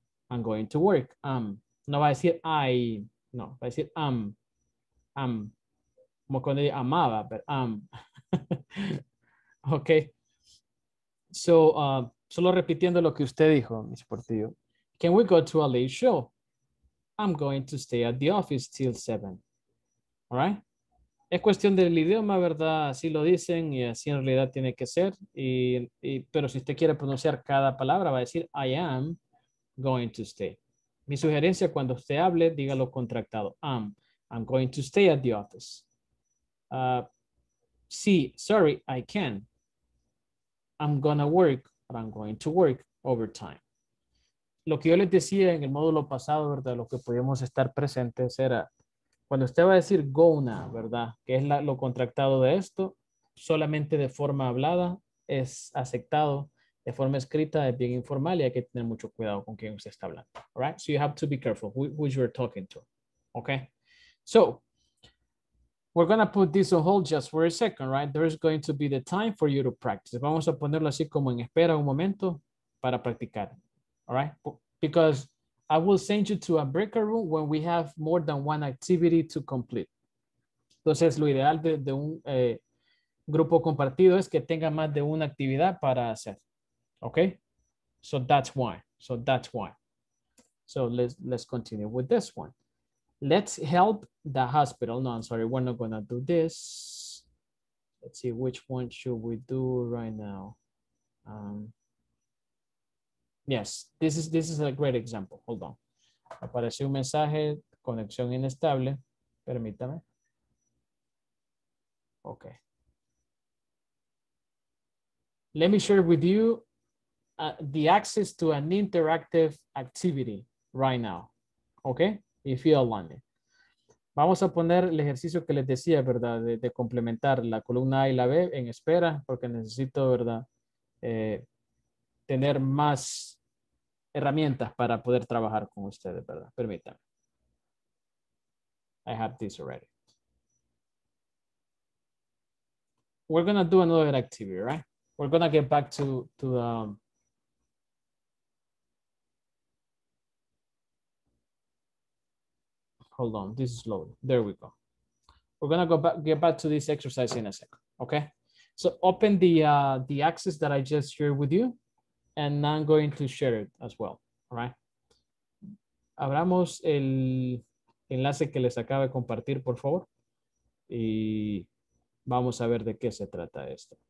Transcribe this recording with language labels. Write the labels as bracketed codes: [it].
[en] I'm going to work, am. [es] No va a decir I, no, va a decir am, am. Como cuando ella amaba, pero am. Ok. So, solo repitiendo lo que usted dijo, Ms. [en] Portillo. Can we go to a late show? I'm going to stay at the office till 7. All right? [es] Es cuestión del idioma, ¿verdad? Así lo dicen y así en realidad tiene que ser. Pero si usted quiere pronunciar cada palabra, va a decir, [en] I am going to stay. [es] Mi sugerencia, cuando usted hable, dígalo contractado. [en] I'm going to stay at the office. Sí, sorry, I can. I'm gonna work, but I'm going to work overtime. [es] Lo que yo les decía en el módulo pasado, ¿verdad? Lo que podíamos estar presentes era, cuando usted va a decir gonna, ¿verdad? Que es lo contractado de esto, solamente de forma hablada es aceptado, de forma escrita es bien informal y hay que tener mucho cuidado con quien usted está hablando. [en] All right? So you have to be careful who you're talking to. Okay? So, we're going to put this on hold just for a second, right? There is going to be the time for you to practice. [es] Vamos a ponerlo así como en espera un momento para practicar. [en] All right? Because I will send you to a breakout room when we have more than one activity to complete. [es] Entonces, lo ideal de un grupo compartido es que tenga más de una actividad para hacer. [en] Okay? So that's why. So let's continue with this one. Let's help the hospital. No, I'm sorry. We're not going to do this. Let's see. Which one should we do right now? Yes, this is a great example. Hold on. [es] Apareció un mensaje. Conexión inestable. Permítame. Okay. [en] Let me share with you the access to an interactive activity right now. Okay? If you all want it. [es] Vamos a poner el ejercicio que les decía, ¿verdad? De complementar la columna A y la B en espera, porque necesito, ¿verdad? Tener más herramientas para poder trabajar con ustedes, ¿verdad? Permítanme. [en] I have this already. We're going to do another activity, right? We're going to get back to the... Hold on, this is loading. There we go. We're gonna get back to this exercise in a second, okay? So open the access that I just shared with you, and now I'm going to share it as well, all right? [es] Abramos el enlace que les acabo de compartir, por favor. Y vamos a ver de qué se trata esto.